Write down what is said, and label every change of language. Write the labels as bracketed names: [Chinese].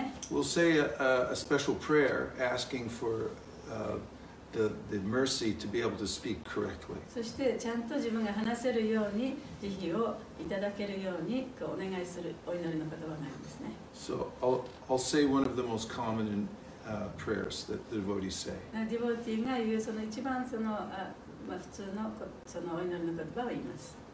[English] We'll say a special prayer asking for the mercy to be able to speak correctly. [Japanese] そしてちゃんと自分が話せるように慈悲をいただけるようにこうお願いするお祈りの言葉なんですね。 [English] So I'll say one of the most common prayers that the devotees say. [Japanese] ディボティが言うその一番その、まあ、普通のそのお祈りの言葉を言います。